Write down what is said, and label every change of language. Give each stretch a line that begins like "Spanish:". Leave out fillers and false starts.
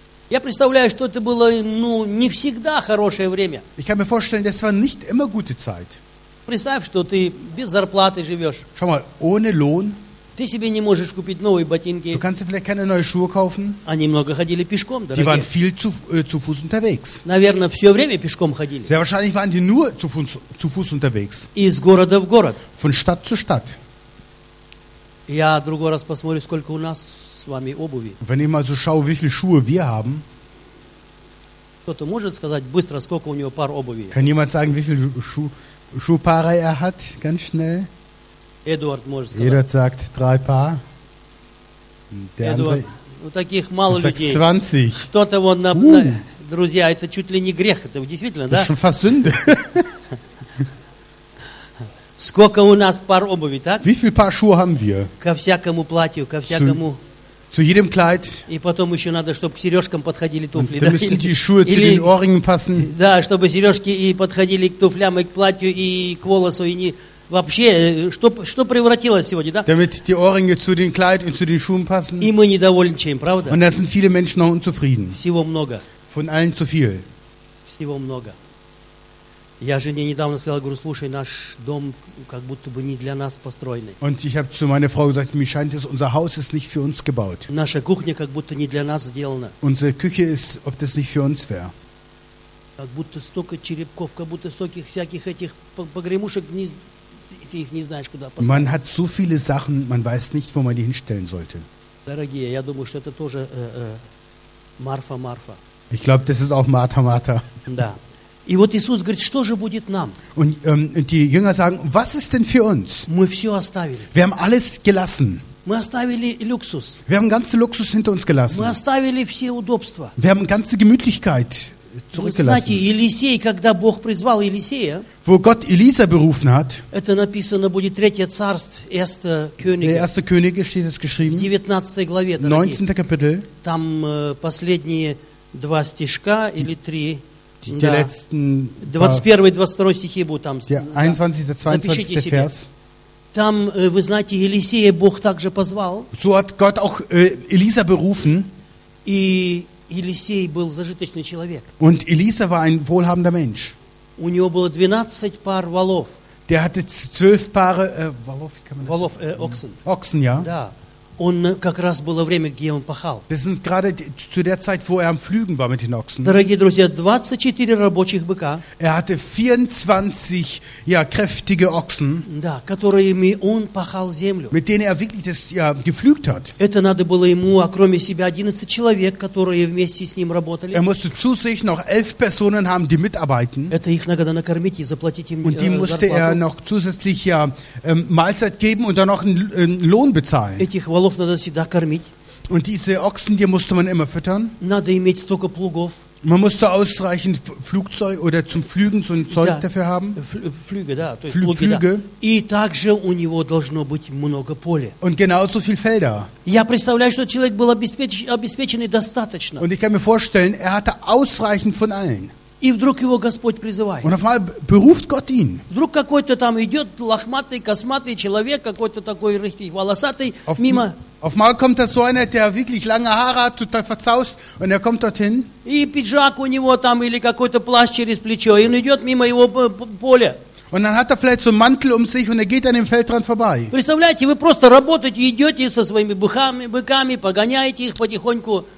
Russian: Я представляю, что это было, ну, не всегда хорошее время.
German: Ich kann mir vorstellen, das war nicht immer gute Zeit.
Russian: Представь, что ты без зарплаты живешь.
German: Schau mal, ohne Lohn.
Russian: Ты себе не можешь купить новые ботинки.
German: Du kannst dir vielleicht keine neue Schuhe kaufen.
Russian: Они много ходили пешком, дорогие.
German: Die waren viel zu Fuß unterwegs.
Russian: Наверное, все время пешком ходили.
German: Sehr wahrscheinlich waren die nur zu Fuß unterwegs.
Russian: Из города в город.
German: Von Stadt zu Stadt.
Russian: Я другой раз посмотрю, сколько у нас с вами обуви.
German: Wenn ich mal so schaue, wie viele Schuhe wir haben.
Russian: Кто-то может сказать быстро, сколько у него пар обуви?
German: Kann jemand sagen, wie viele Schuhpaare er hat, ganz schnell?
Russian: Эдуард может сказать.
German: Эдуард sagt 3 paar.
Russian: Эдуард, ну таких мало людей. 20. Кто-то вот, на, друзья, это чуть ли не грех, это действительно, да?
German: Das ist schon fast Sünde.
Russian: Сколько у нас пар обуви, так?
German: Wie viele Paar Schuhe haben wir?
Russian: Ко всякому платью, ко всякому.
German: Zu jedem Kleid.
Russian: И потом еще надо, чтобы к сережкам подходили туфли. Да,
German: müssen die Schuhe zu den Ohrringen passen.
Russian: Да, чтобы сережки и подходили к туфлям, и к платью, и к волосу, и не... Вообще, что превратилось сегодня, да?
German: Damit die Ohrringe zu den Kleid und zu den Schuhen passen.
Russian: И мы недовольны чем, правда?
German: Und da sind viele Menschen noch unzufrieden.
Russian: Всего много.
German: Von allen zu viel.
Russian: Всего много. Я жене недавно сказал, говорю, слушай, наш дом как будто бы не для нас построенный.
German: Und ich habe zu meiner Frau gesagt, mir scheint es, unser Haus ist nicht für uns gebaut.
Russian: Наша кухня как будто не для нас сделана.
German: Unsere Küche ist, ob das nicht für uns wäre.
Russian: Как будто столько черепков, как будто столько всяких этих погремушек, ты их не знаешь, куда поставить.
German: Man hat so viele Sachen, man weiß nicht, wo man die hinstellen sollte.
Russian: Дорогие, я думаю, что это тоже Марфа.
German: Ich glaube, das ist auch Martha.
Russian: Да. И вот Иисус говорит, что же будет нам?
German: Und die Jünger sagen, was ist denn für uns?
Russian: Мы все оставили.
German: Wir haben alles gelassen.
Russian: Мы оставили Luxus.
German: Wir haben ganzen Luxus hinter uns gelassen.
Russian: Мы оставили все удобства.
German: Wir haben ganze Gemütlichkeit zurückgelassen.
Russian: Знаете, Елисей, когда Бог призвал Елисея,
German: wo Gott Elisa berufen hat,
Russian: это написано будет Третье Царство,
German: Erste Könige. Der Erste Könige steht es geschrieben.
Russian: В 19 главе, дорогие.
German: 19. Kapitel.
Russian: Там последние два стишка или три.
German: Die да. Letzten,
Russian: 21-22 стихи будут там.
German: Ja, 21-22 Vers.
Russian: Там, вы знаете, Елисея Бог также позвал.
German: So hat Gott auch Elisa berufen.
Russian: И Елисей был зажиточный человек.
German: Und Elisa war ein wohlhabender Mensch.
Russian: У него было 12 пар волов.
German: Der hatte 12 Paare Wolf, kann man Wolf, sagen? Ochsen. Ochsen, ja.
Russian: Да. Он как раз было время, где он пахал.
German: Das sind gerade zu der Zeit, wo am Pflügen war mit den Ochsen.
Russian: Дорогие друзья, 24 рабочих быка.
German: Er hatte 24 ja, kräftige Ochsen.
Russian: Да, которыми он пахал землю.
German: Mit denen er wirklich das ja, gepflügt hat.
Russian: Это надо было ему, а кроме себя 11 человек, которые вместе с ним работали.
German: Er musste zu sich noch 11 Personen haben, die mitarbeiten.
Russian: Это их надо накормить и заплатить им.
German: Und die musste
Russian: зарплату.
German: Er noch zusätzlich ja, Mahlzeit geben und dann noch einen Lohn bezahlen.
Russian: Волов надо всегда кормить.
German: Und diese Ochsen, die musste man immer füttern.
Russian: Надо иметь столько плугов.
German: Man musste ausreichend Flugzeug oder zum Flügen so ein Zeug
Russian: да.
German: Dafür haben. Flüge, да. Flüge.
Russian: И также у него должно быть много поля.
German: Und genauso viel Felder.
Russian: Я представляю, что человек был обеспеченный достаточно.
German: Und ich kann mir vorstellen, er hatte ausreichend von allen.
Russian: И вдруг его Господь призывает.
German: Und auf einmal beruft Gott ihn.
Russian: Вдруг какой-то там идет лохматый, косматый человек, какой-то такой richtig волосатый, auf мимо.
German: Auf einmal kommt da so einer, der wirklich lange Haare hat, total verzaust, und er kommt dorthin.
Russian: И пиджак у него там или какой-то плащ через плечо, и он идет мимо его поля.
German: Und dann hat er vielleicht so einen Mantel um sich und er geht an dem Feldrand vorbei.
Russian: Представляете, вы просто работаете, идете со своими быками, погоняете их потихоньку.